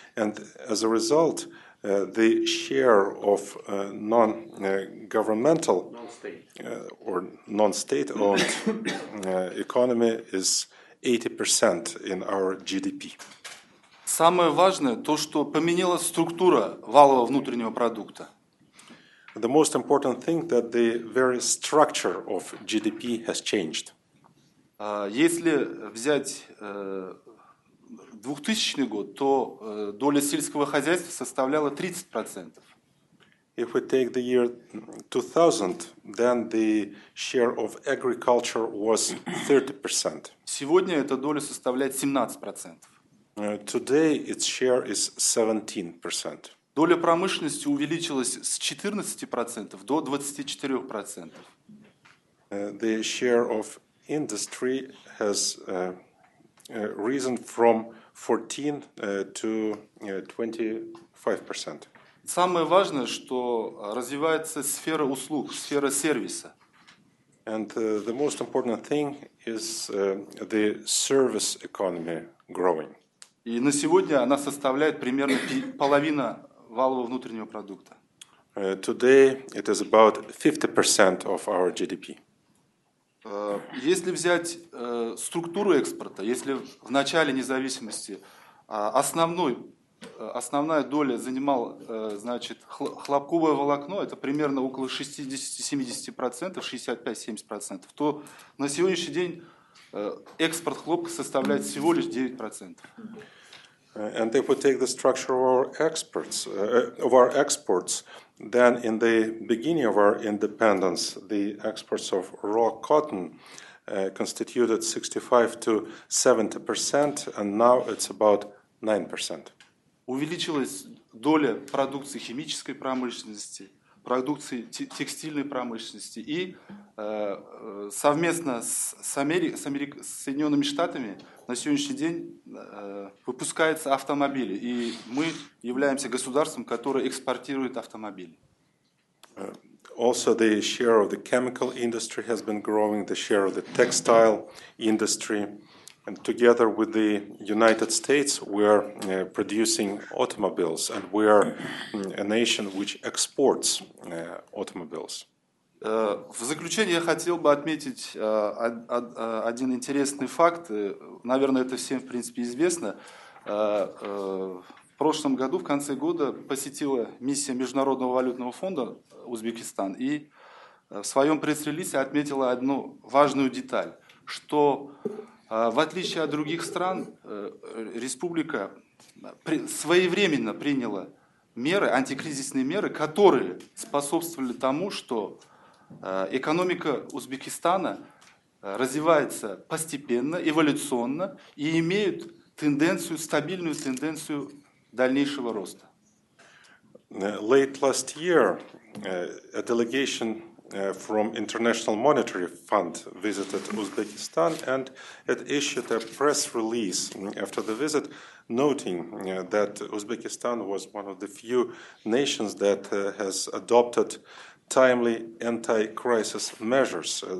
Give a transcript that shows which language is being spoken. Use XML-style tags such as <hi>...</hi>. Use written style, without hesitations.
<en>And as a result, the share of non-governmental or non-state-owned economy is 80% in our GDP.</en> <ru>Самое важное то, что поменялась структура валового внутреннего продукта.</ru> <en>The most important thing that the very structure of GDP has changed.</en> <ru>Если взять 2000 год, то доля сельского хозяйства составляла 30%.</ru> <en>If we take the year 2000, then the share of agriculture was 30%.</en> <ru>Сегодня эта доля составляет 17%.</ru> <en>Today its share is 17%.</en> <ru>Доля промышленности увеличилась с 14% до 24%.</ru> <en>The share of industry has risen from 14% to 25%.</en> <ru>Самое важное, что развивается сфера услуг, сфера сервиса.</ru> <en>And the most important thing is the service economy growing.</en> <ru>И на сегодня она составляет примерно половина валового внутреннего продукта.</ru> <en>Today it is about 50% of our GDP.</en> <ru>Если взять структуру экспорта, если в начале независимости основная доля занимала, значит, хлопковое волокно, это примерно около 60-70%, 65-70%, то на сегодняшний день экспорт хлопка составляет всего лишь 9%.</ru> <en>And if we take the structure of our exports, of our exports, then in the beginning of our independence, the exports of raw cotton constituted 65-70%, and now it's about 9%.</en> <ru>Увеличилась доля продукции химической промышленности, продукции текстильной промышленности, и совместно с Соединенными Штатами на сегодняшний день выпускаются автомобили, и мы являемся государством, которое экспортирует автомобили.</ru> <en>Also, the share of the chemical industry has been growing, the share of the textile industry. And together with the United States, we are producing automobiles, and we are a nation which exports automobiles.</en> <ru>В заключение я хотел бы отметить один интересный факт. Наверное, это всем, в принципе, известно. В прошлом году, в конце года, посетила миссия Международного валютного фонда Узбекистан и в своем пресс-релизе отметила одну важную деталь, что в отличие от других стран, республика своевременно приняла меры, антикризисные меры, которые способствовали тому, что экономика Узбекистана развивается постепенно, эволюционно и имеет тенденцию, стабильную тенденцию дальнейшего роста.</ru> <en>Late last year, a delegation from International Monetary Fund visited Uzbekistan, and it issued a press release after the visit, noting that Uzbekistan was one of the few nations that has adopted timely anti-crisis measures.</en>